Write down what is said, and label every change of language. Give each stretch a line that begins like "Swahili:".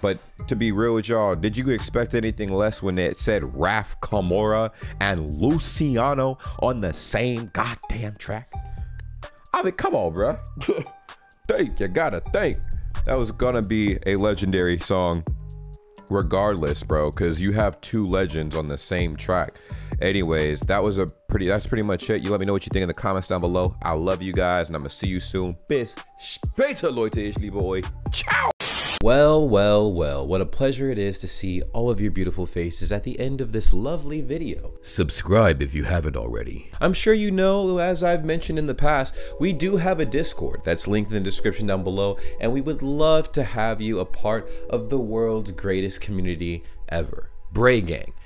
English: But to be real with y'all, did you expect anything less when it said RAF Camora and Luciano on the same goddamn track? I mean, come on, bro. Think, you gotta think. That was gonna be a legendary song. Regardless, bro, because you have two legends on the same track. Anyways, that's pretty much it. You let me know what you think in the comments down below. I love you guys, and I'm gonna see you soon.
German: Bis später, Leute, ich liebe euch.
Italian: Ciao.
English: Well, what a pleasure it is to see all of your beautiful faces at the end of this lovely video. Subscribe if you haven't already. I'm sure you know, as I've mentioned in the past, we do have a Discord that's linked in the description down below, and we would love to have you a part of the world's greatest community ever. Bray Gang.